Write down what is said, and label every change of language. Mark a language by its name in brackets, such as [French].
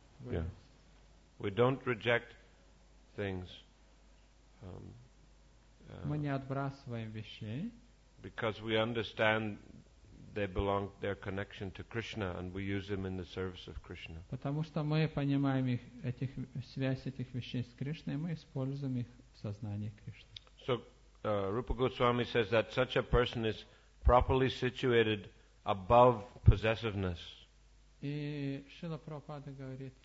[English] Yeah. We don't reject things. [Russian] Мы не отбрасываем вещей. [English] Because we understand they belong, their connection to Krishna, and we use them in the service of Krishna. [Russian] Потому что мы понимаем их этих связь этих вещей с Кришной, мы используем их в сознании Кришны. [English] So Rupa Goswami says that such a person is properly situated above possessiveness. [Russian] И Шрила Прабхупада говорит.